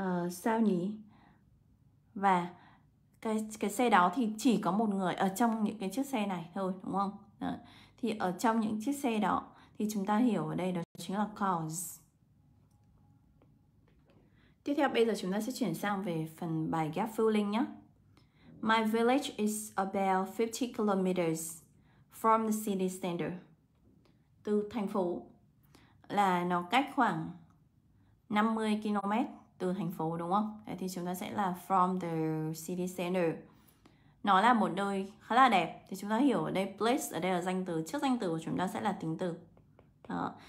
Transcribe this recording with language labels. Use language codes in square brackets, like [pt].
[vi] Sao nhỉ? Và cái xe đó thì chỉ có một người ở trong những cái chiếc xe này thôi, đúng không? Đấy. Thì ở trong những chiếc xe đó thì chúng ta hiểu ở đây đó chính là cars. Tiếp theo bây giờ chúng ta sẽ chuyển sang về phần bài gap filling nhé. [en] My village is about 50 kilometers from the city center. [vi] Từ thành phố là nó cách khoảng 50 km từ thành phố đúng không? Đấy thì chúng ta sẽ là [en] from the city center. [vi] Nó là một nơi khá là đẹp. Thì chúng ta hiểu ở đây place ở đây là danh từ. Trước danh từ của chúng ta sẽ là tính từ. Đó.